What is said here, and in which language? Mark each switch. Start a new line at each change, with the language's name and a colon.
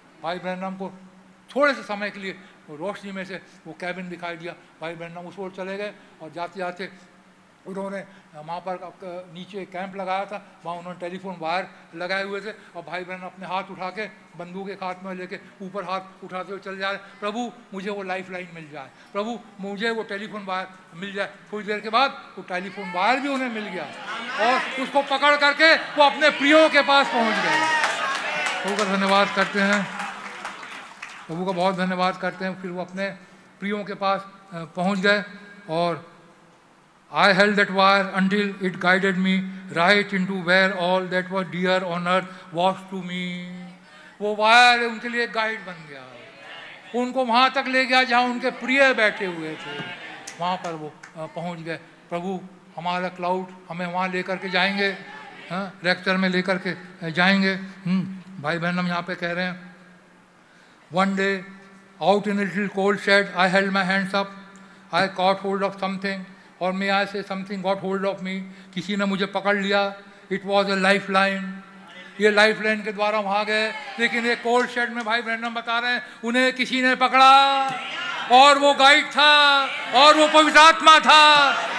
Hindi: भाई ब्रैनम को थोड़े से समय के लिए रोशनी में से वो कैबिन दिखाई दिया, भाई ब्रैनम उस ओर चले गए और जाते जाते उन्होंने वहाँ पर नीचे कैंप लगाया था, वहाँ उन्होंने टेलीफोन वायर लगाए हुए थे, और भाई बहन अपने हाथ उठा के बंदूक एक हाथ में लेके ऊपर हाथ उठाते हुए चल जा रहे, प्रभु मुझे वो लाइफ लाइन मिल जाए, प्रभु मुझे वो टेलीफोन वायर मिल जाए। कुछ देर के बाद वो टेलीफोन वायर भी उन्हें मिल गया और उसको पकड़ करके वो अपने प्रियों के पास पहुँच गए। प्रभु का धन्यवाद करते हैं, प्रभु का बहुत धन्यवाद करते हैं। फिर वो अपने प्रियों के पास पहुँच गए और
English: I held that wire until it guided me right into where all that was dear on earth was to me.
Hindi: वो वायर उनके लिए गाइड बन गया, उनको वहाँ तक ले गया जहाँ उनके प्रिय बैठे हुए थे, वहाँ पर वो पहुँच गए। प्रभु हमारा क्लाउड हमें वहाँ लेकर के जाएंगे, रैप्चर में लेकर के जाएंगे। भाई बहन हम यहाँ पे कह रहे हैं
English: One day, out in a little cold shed, I held my hands up. I caught hold of something.
Hindi: और मैं आज से
English: something got hold of me,
Hindi: किसी ने मुझे पकड़ लिया,
English: It was a life line.
Hindi: ये लाइफ लाइन के द्वारा वहाँ गए, लेकिन एक कोल्ड शेड में भाई ब्रैनम बता रहे हैं उन्हें किसी ने पकड़ा और वो गाइड था और वो पवित्र आत्मा था।